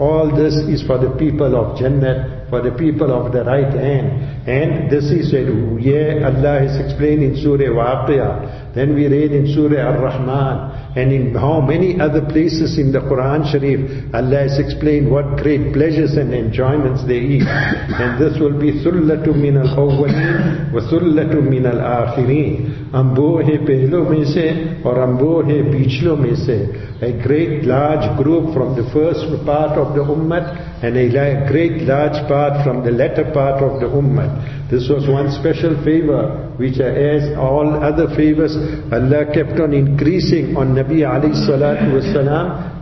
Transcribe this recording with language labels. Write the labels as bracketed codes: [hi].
[en] All this is for the people of Jannah, for the people of the right hand. And this is said, yeah, Allah has explained in Surah Waqiyah. Then we read in Surah Ar-Rahman. And in how many other places in the Quran Sharif, Allah has explained what great pleasures and enjoyments they eat. And this will be [ar] ثُلَّةٌ مِنَ الْأَوَّلِينَ وَثُلَّةٌ مِنَ الْآخِرِينَ. [ur] امبوہِ پہلوں میں سے اور امبوہِ پیچھلوں میں سے. [en] A great large group from the first part of the Ummat and a great large part from the latter part of the Ummat. This was one special favor which, as all other favors, Allah kept on increasing on Nabi alayhi salatu wasalam.